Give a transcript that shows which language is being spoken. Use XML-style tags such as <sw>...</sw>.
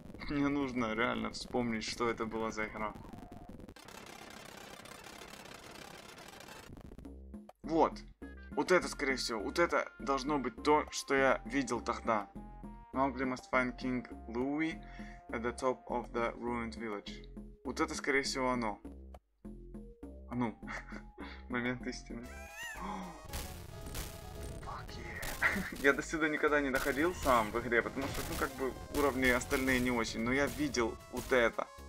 <ru>Мне нужно реально вспомнить, что это было за игра. Вот. Вот это, скорее всего, вот это должно быть то, что я видел тогда.</ru> <en>Mowgli must find King Louie at the top of the ruined village.</en> <ru>Вот это, скорее всего, оно. А ну. Момент истины. Я до сюда никогда не доходил сам в игре, потому что, ну, как бы, уровни остальные не очень, но я видел вот это.</ru>